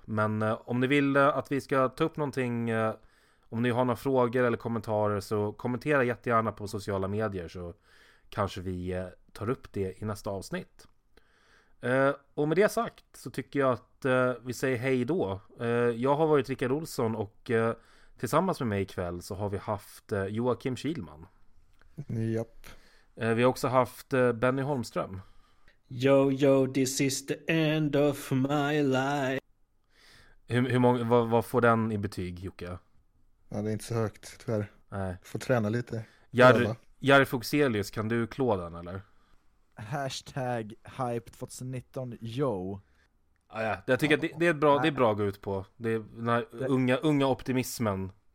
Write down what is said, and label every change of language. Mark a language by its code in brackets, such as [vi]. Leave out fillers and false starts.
[sv] Men om ni vill att vi ska ta upp någonting, om ni har några frågor eller kommentarer, så kommentera jättegärna på sociala medier, så kanske vi tar upp det i nästa avsnitt. Och med det sagt så tycker jag att vi säger hej då. Jag har varit Rickard Olsson och tillsammans med mig ikväll så har vi haft Joakim Kielman. Japp. Vi har också haft Benny Holmström. [en] Yo, yo, this is the end of my life. [sv] Vad får den i betyg, Jocke? Ja, det är inte så högt, tyvärr. Nej. Får träna lite. Jari Fuxelius, kan du klå den, eller? Hashtag hype 2019, yo. Ah, ja, jag tycker att det är bra att gå ut på. Det är den unga optimismen.